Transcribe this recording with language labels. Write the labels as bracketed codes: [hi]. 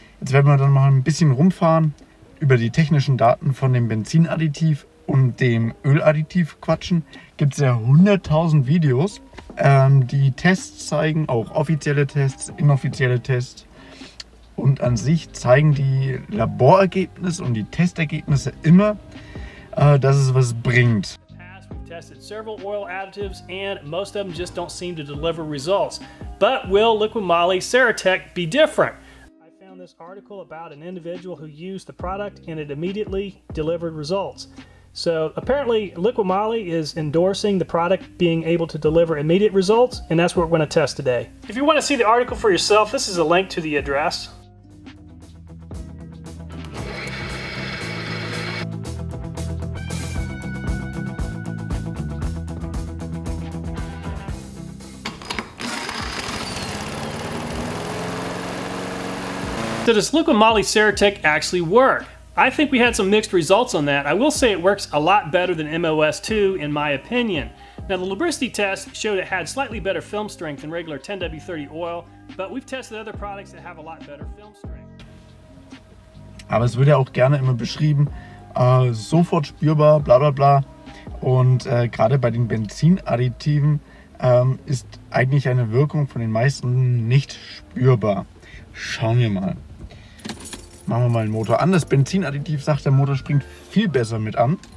[de] Jetzt werden wir dann mal ein bisschen rumfahren, über die technischen Daten von dem Benzinadditiv und dem Öladditiv quatschen. Gibt es ja 100.000 Videos. Die Tests zeigen, auch offizielle Tests, inoffizielle Tests. Und an sich zeigen die Laborergebnisse und die Testergebnisse immer, dass es was bringt. [en] Tested several oil additives and most of them just don't seem to deliver results. But will Liqui Moly Ceratec be different? I found this article about an individual who used the product and it immediately delivered results. So apparently Liqui Moly is endorsing the product being able to deliver immediate results, and that's what we're going to test today. If you want to see the article for yourself, this is a link to the address. Did this liquid moly Ceratec actually work? I think we had some mixed results on that. I will say it works a lot better than MOS 2, in my opinion. Now, the lubricity test showed it had slightly better film strength than regular 10W30 oil, but we've tested other products that have a lot better film strength. [de] Aber es wird ja auch gerne immer beschrieben, sofort spürbar, bla bla bla. Und gerade bei den Benzinadditiven ist eigentlich eine Wirkung von den meisten nicht spürbar. Schauen wir mal. Machen wir mal den Motor an. Das Benzinadditiv sagt, der Motor springt viel besser mit an.